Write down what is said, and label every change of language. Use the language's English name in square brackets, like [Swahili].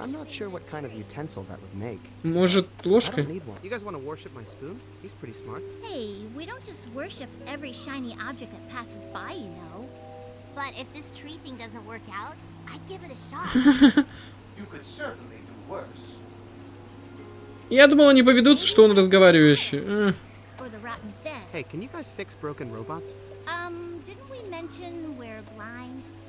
[English] I'm not sure what kind of utensil that would make. [Russian] Может, ложка? [English] I don't need one. You guys want to worship my spoon? He's pretty smart. Hey, we don't just worship every shiny object that passes by, you know. But if this tree thing doesn't work out, I'd give it a shot. You could certainly do worse. [Russian] Я думал, они поведутся, что он разговаривающий. [English] Or the rotten bed. Hey, can you guys fix broken robots? Didn't we mention we're blind?